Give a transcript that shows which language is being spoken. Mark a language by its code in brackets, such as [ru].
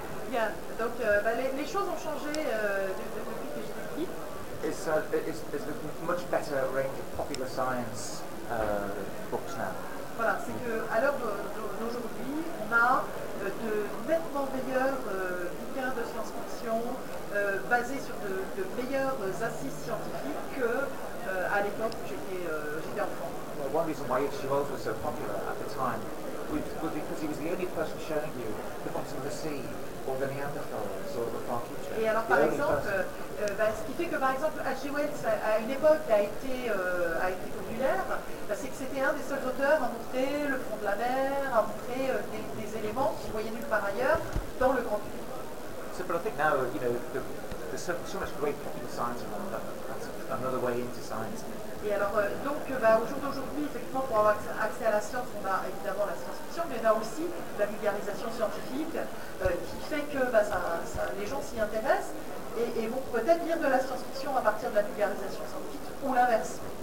[fr] Bien, donc les choses ont changé depuis que j'étais petit. [en] It's a much better range of popular science books now. [fr] Voilà, c'est que à l'heure d'aujourd'hui, on a de nettement meilleurs bouquins de science-fiction basés sur de meilleurs assises scientifiques que à l'époque où j'étais enfant. [en] Well, one reason why H.G. Wells was so popular at the time was because he was the only person showing you the bottom of the sea, or the Neanderthals, or the far future. [fr] Et alors, par exemple, ce qui fait que, par exemple, H.G. Wells, à une époque, a été populaire, c'est que c'était un des seuls auteurs à montrer le fond de la mer, à montrer des éléments qu'on voyait nulle part ailleurs dans le grand public. [en] So, but I think now, you know, there's so much great popular science around that. That's another way into science. [fr] Et alors, au jour d'aujourd'hui, effectivement, pour avoir accès à la science, on a évidemment la science-fiction, mais on a aussi la vulgarisation scientifique qui fait que ça, les gens s'y intéressent et vont peut-être lire de la science-fiction à partir de la vulgarisation scientifique ou l'inverse.